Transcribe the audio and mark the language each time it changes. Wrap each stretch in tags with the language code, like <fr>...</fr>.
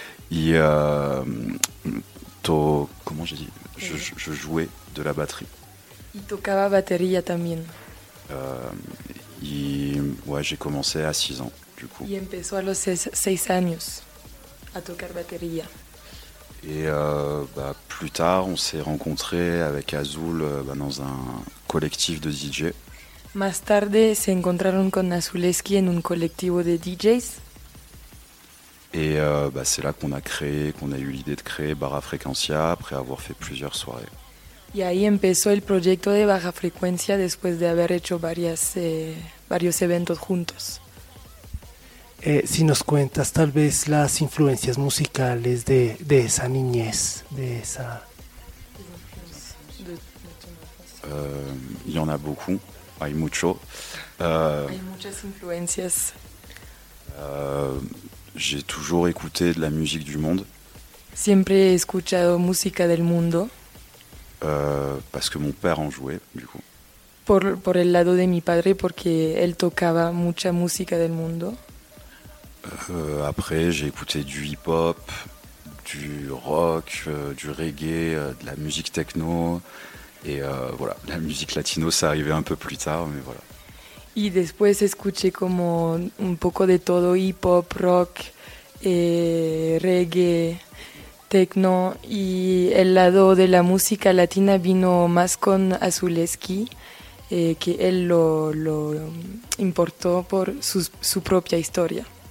<fr>Y je jouais de la batterie.</fr> <es>Y tocaba batería también.</es> <fr>J'ai commencé à 6 ans, du coup.</fr> <es>Y empezó a los 6 años a tocar batería.</es> <fr>Et plus tard, on s'est rencontrés avec Azul dans un collectif de DJ.</fr> <es>Más tarde se encontraron con Azuleski en un colectivo de DJs.</es> <fr>Et c'est là qu'on a eu l'idée de créer Baja Frecuencia après avoir fait plusieurs soirées.</fr> <es>Y ahí empezó el proyecto de Baja Frecuencia después de haber hecho varios eventos juntos. Si nos cuentas tal vez las influencias musicales de esa niñez, de esa...</es> <fr>Y en a beaucoup.</fr> <es>Hay mucho. Hay muchas influencias.</es> <fr>J'ai toujours écouté de la musique du monde.</fr> <es>Siempre he escuchado música del mundo.</es> <fr>Parce que mon père en jouait, du coup.</fr> <es>Por el lado de mi padre, porque él tocaba mucha música del mundo.</es> <fr>Après, j'ai écouté du hip-hop, du rock, du reggae, de la musique techno. Et voilà, la musique latino, ça arrivait un peu plus tard, mais voilà.</fr> <es>Y después escuché como un poco de todo, hip-hop, rock, reggae, techno. Y el lado de la música latina vino más con Azuleski, que él lo importó por su propia historia.</es>